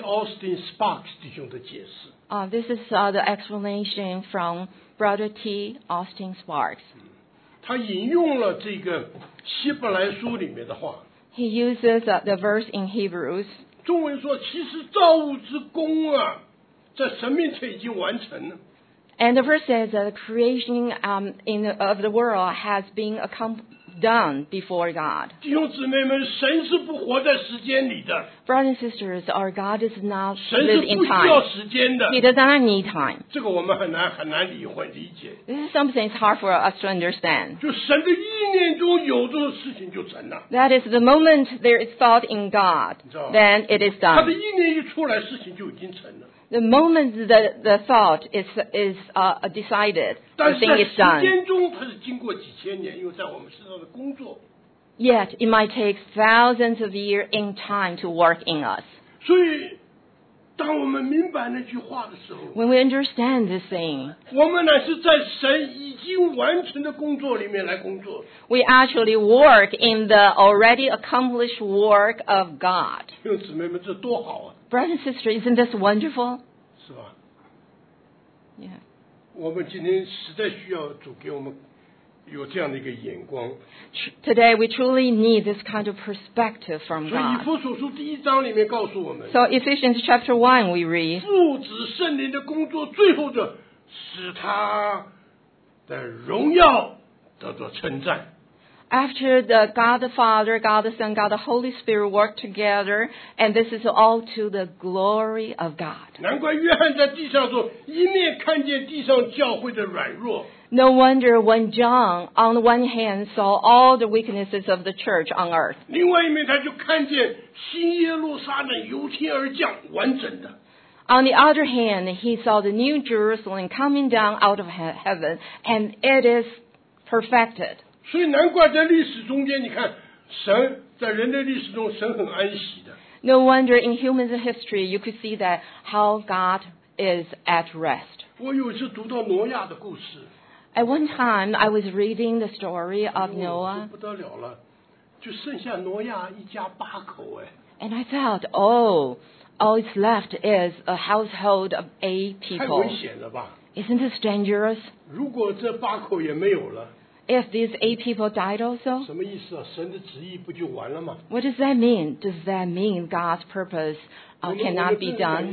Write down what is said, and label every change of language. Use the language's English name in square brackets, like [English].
[Chinese] Austin Sparks 弟兄的解释。 [English] This is the explanation from Brother T. Austin Sparks. [Chinese] 他引用了这个希伯来书里面的话。 [English] He uses the verse in Hebrews. [Chinese] 中文说，其实造物之功啊，在神面前已经完成了。 [English] And the verse says that the creation of the world has been done before God. [Chinese] 弟兄姊妹们，神是不活在时间里的。 [English] Brothers and sisters, our God is not live in time. [Chinese] 神是不需要时间的。 [English] He does not need time. [Chinese] 这个我们很难理解。 [English] This is something that's hard for us to understand. [Chinese] 就神的意念中有这个事情就成了。 [English] That is the moment there is thought in God, then it is done. [Chinese] 他的意念一出来，事情就已经成了。 [English] The moment that the thought is decided, the thing is done. [Chinese] 时间中它是经过几千年，又在我们身上的工作。 [English] Yet it might take thousands of years in time to work in us. [Chinese] 所以，当我们明白那句话的时候 [English] ，When we understand this thing, [Chinese] 我们乃是在神已经完成的工作里面来工作。 [English] We actually work in the already accomplished work of God. [Chinese] 弟兄姊妹们，这多好啊！ [English] Brother and sister, isn't this wonderful? [Chinese] 是吧？ [English] Yeah. [Chinese] 我们今天实在需要主给我们有这样的一个眼光。 [English] Today we truly need this kind of perspective from God. [Chinese] 所以以弗所书第一章里面告诉我们。 [English] So Ephesians chapter 1 we read. [Chinese] 父子圣灵的工作最后的使他的荣耀得到称赞。 [English] After the God the Father, God the Son, God the Holy Spirit work together, and this is all to the glory of God. [Chinese] 难怪约翰在地上说，一面看见地上教会的软弱。 [English] No wonder when John, on the one hand, saw all the weaknesses of the church on earth. [Chinese] 另外一面他就看见新耶路撒冷由天而降，完整的。 [English] On the other hand, he saw the new Jerusalem coming down out of heaven, and it is perfected. [Chinese] 所以难怪在历史中间，你看神在人类历史中，神很安息的。 [English] No wonder in human history you could see that how God is at rest. [Chinese] 我有一次读到挪亚的故事。 [English] At one time I was reading the story of Noah. [Chinese] 不得了了，就剩下挪亚一家八口哎。 [English] And I thought, oh, all it's left is a household of eight people. [Chinese] 太危险了吧 [English] ？Isn't this dangerous? [Chinese] 如果这八口也没有了。 [English] If these eight people died also, [Chinese] 什么意思啊？神的旨意不就完了吗？ [English] What does that mean? Does that mean God's purpose cannot be done?